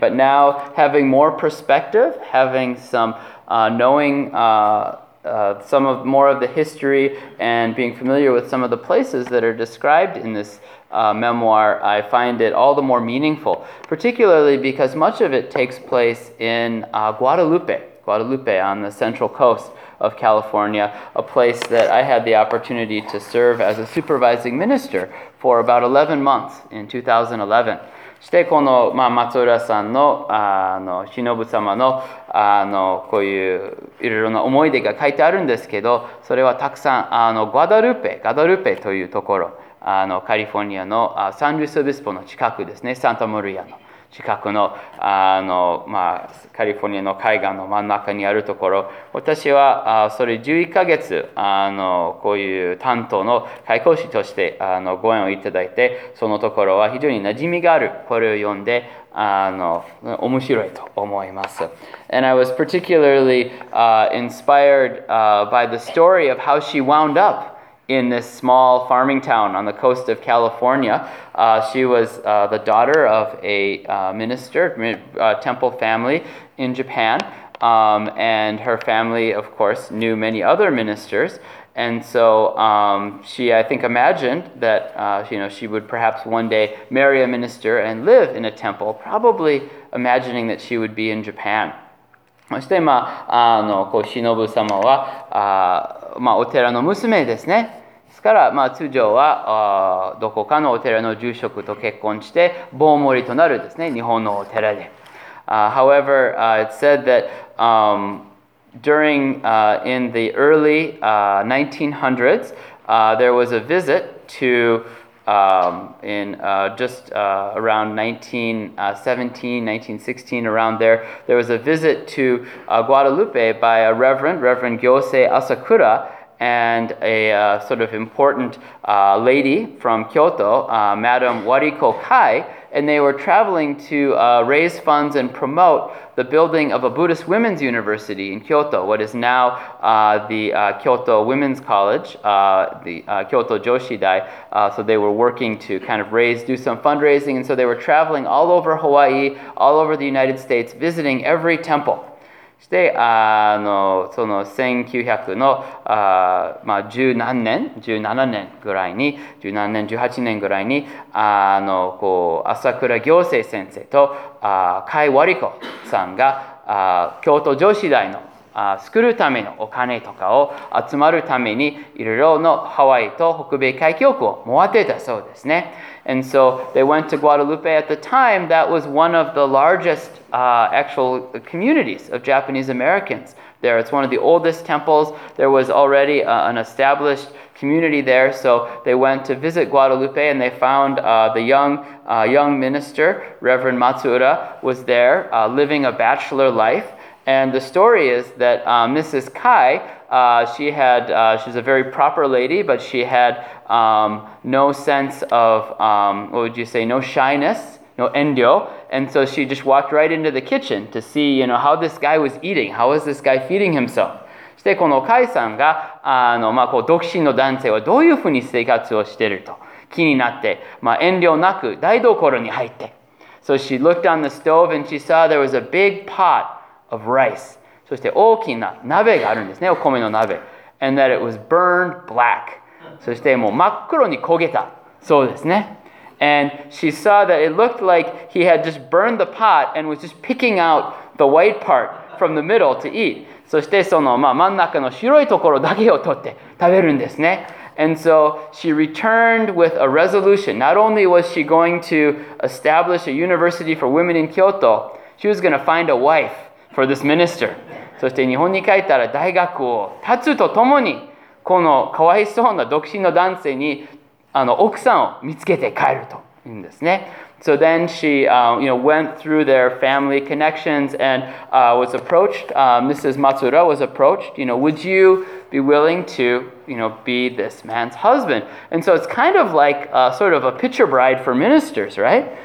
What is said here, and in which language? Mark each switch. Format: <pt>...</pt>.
<en>But now, having more perspective, having some knowing some of more of the history and being familiar with some of the places that are described in this memoir, I find it all the more meaningful, particularly because much of it takes place in Guadalupe on the central coast of California, a place that I had the opportunity to serve as a supervising minister for about 11 months in 2011.</en> <ja>してこの、Matsuura さんの、忍様の、こういういろいろな思い出が書いてあるんですけど、それはたくさん、ガダルペというところ、カリフォルニアの、サンルイスオビスポの近くですね、サンタマリアの。近くの、まあ、カリフォルニアの海岸の真ん中にあるところ、私はそれ11ヶ月、こういう担当の開講師としてご縁をいただいて、そのところは非常に馴染みがある、これを読んで、面白いと思います。</ja> <en>And I was particularly inspired by the story of how she wound up. In this small farming town on the coast of California. She was the daughter of a minister, temple family in Japan. And her family, of course, knew many other ministers. And so she, I think, imagined that you know, she would perhaps one day marry a minister and live in a temple, probably imagining that she would be in Japan.</en> <ja>そして、まあ、こう、しのぶ様は、まあ、お寺の娘ですね。ですから、まあ、通常は、どこかのお寺の住職と結婚して、棒守となるですね、日本のお寺で。</ja> <en>However, it said that, during, in the early, 1900s, there was a visit to, around 1917, 1916, around there, there was a visit to Guadalupe by a Reverend Gyosei Asakura, and sort of important lady from Kyoto, Madam Wariko Kai, and they were traveling to raise funds and promote the building of a Buddhist women's university in Kyoto, what is now the Kyoto Women's College, the Kyoto Joshidai. So they were working to kind of do some fundraising, and so they were traveling all over Hawaii, all over the United States, visiting every temple.</en> <ja>そして、その1900の、まあ、17年ぐらいに、こう朝倉行政先生と甲斐和理子さんが京都女子大の作るためのお金とかを集まるためにいろいろのハワイと北米海峡区を回ってたそうですね。</ja> <en>And so they went to Guadalupe at the time. That was one of the largest actual communities of Japanese Americans there. It's one of the oldest temples. There was already an established community there. So they went to visit Guadalupe and they found the young minister, Reverend Matsuura, was there living a bachelor life. And the story is that Mrs. Kai, she's a very proper lady, but she had no sense of, what would you say, no shyness, no endo. And so she just walked right into the kitchen to see, you know, how this guy was eating. How was this guy feeding himself?</en> <ja>そしてこのカイさんが、まあ、こう独身の男性はどういうふうに生活をしていると気になって、まあ、遠慮なく台所に入って。</ja> <en>So she looked on the stove and she saw there was a big pot. Of rice.</en> <ja>そして大きな鍋があるんですね、お米の鍋。</ja> <en>And that it was burned black.</en> <ja>そしてもう真っ黒に焦げた。そうですね。</ja> <en>And she saw that it looked like he had just burned the pot and was just picking out the white part from the middle to eat.</en> <ja>そしてその、まあ、真ん中の白いところだけを取って食べるんですね。</ja> <en>And so she returned with a resolution. Not only was she going to establish a university for women in Kyoto, she was going to find a wife. For this minister.</en> <ja>そして日本に帰ったら大学を立つとともにこのかわいそうな独身の男性に奥さんを見つけて帰るというんですね。</ja> <en>So then she you know, went through their family connections and was approached, Mrs. Matsuura was approached, you know, would you be willing to, you know, be this man's husband? And so it's kind of like sort of a picture bride for ministers, right?</en>